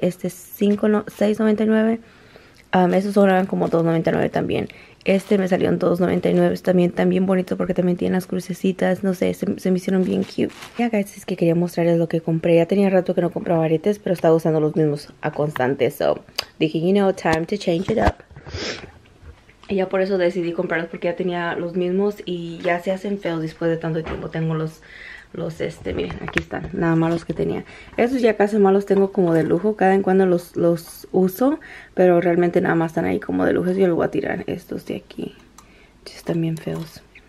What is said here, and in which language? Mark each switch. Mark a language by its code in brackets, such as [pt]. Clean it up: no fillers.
[es] Este $6.99. Estos sobran como $2.99 también. Este me salió en $2.99. Es también tan bien bonito porque también tiene las crucecitas. No sé, se me hicieron bien cute. Ya, guys, es que quería mostrarles lo que compré. Ya tenía rato que no compraba aretes, pero estaba usando los mismos a constante. [en] So [es] dije, [en] you know, time to change it up. [es] Y ya por eso decidí comprarlos porque ya tenía los mismos y ya se hacen feos después de tanto tiempo. Tengo los miren, aquí están, nada más los que tenía. Esos ya casi más los tengo como de lujo, cada en cuando los uso, pero realmente nada más están ahí como de lujo. Yo los voy a tirar, estos de aquí, están bien feos.